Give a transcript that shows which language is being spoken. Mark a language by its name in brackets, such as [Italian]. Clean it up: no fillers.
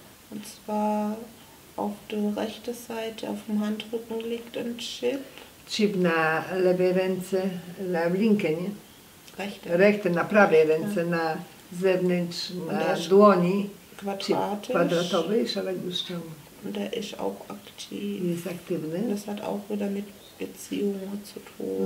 [German] Und zwar auf der rechten Seite, auf dem Handrücken liegt ein Chip. [Polish] Chip na lewej ręce, na linke, nie? [German] Rechte. [Polish] Rechte, na prawej ręce, na zewnątrz, na dłoni. [German] Quadratisch. [Polish] Quadratowy, szereg wyszczony. [German] Und er ist auch aktiv. [Polish] Jest aktywny. [German] Das hat auch wieder mit Beziehungen zu tun.